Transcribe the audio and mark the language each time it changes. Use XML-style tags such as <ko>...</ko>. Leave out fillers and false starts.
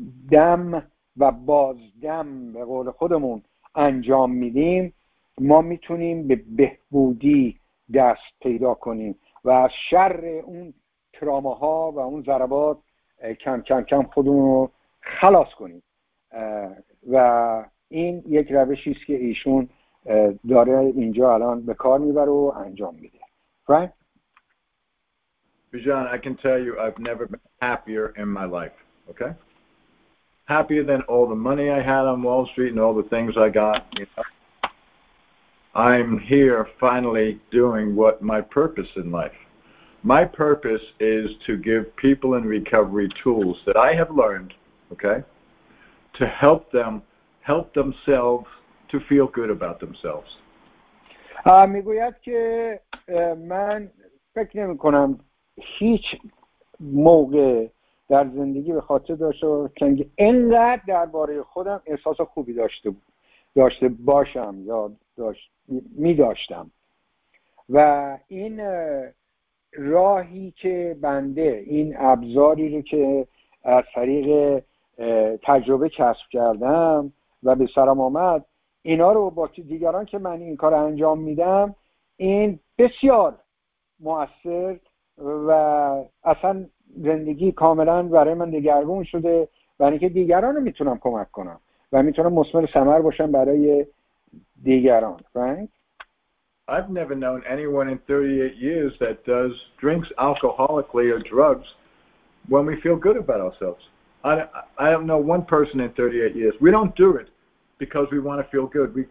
<fa>دم و بازدم به قول خودمون انجام میدیم، ما میتونیم به بهبودی دست پیدا کنیم و از شر اون تراماها و اون ضربات کم کم کم خودمون رو خلاص کنیم و این یک روشی است که ایشون داره اینجا الان به کار میبره و انجام میده. فرانک.</fa> <en>Bijan, I can tell you I've never been happier in my life, okay? Happier than all the money I had on Wall Street and all the things I got. You know? I'm here finally doing what my purpose in life. My purpose is to give people in recovery tools that I have learned, okay, to help them help themselves to feel good about themselves.</en> <fa>میگوید که من فکر نمی کنم هیچ موقع در زندگی به خاطر داشته باشم که اینقدر درباره خودم احساس خوبی داشته باشم یا می داشتم و این راهی که بنده، این ابزاری رو که از طریق تجربه کسب کردم و به سرم آمد، اینا رو با دیگران که من این کار انجام میدم، این بسیار مؤثر و اصلا زندگی کاملا برای من دگرگون شده و اینکه دیگران رو میتونم کمک کنم و میتونم مثمر ثمر باشم برای دیگران.</fa> <en>I've never known anyone in 38 years that does drinks alcoholically or drugs when we feel good about ourselves. I don't know one person in 38 years. We don't do it because we want to feel good.</en>